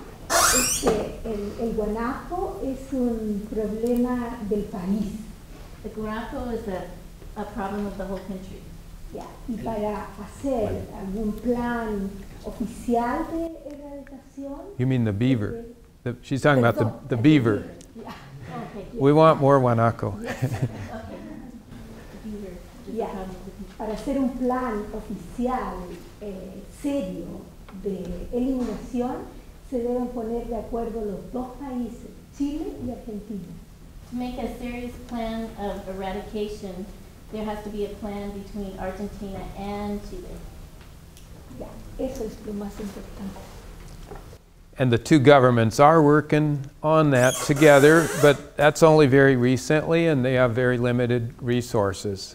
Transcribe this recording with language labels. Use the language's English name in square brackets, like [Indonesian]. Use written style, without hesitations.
[Spanish] Es que el guanaco es un problema del país. [English] The guanaco is a problem of the whole country. [Spanish] Yeah. Y para hacer algún plan oficial de erradicación. [English] You mean the beaver? She's talking about the beaver. Yeah. Okay, yes. We want more guanaco. Yes. Okay. Yeah. [Spanish] Para hacer un plan oficial serio de eliminación, se deben poner de acuerdo los dos países, Chile y Argentina. [English] To make a serious plan of eradication, there has to be a plan between Argentina and Chile. [Spanish] Yeah, eso es lo más importante. [English] And the two governments are working on that together, but that's only very recently, and they have very limited resources.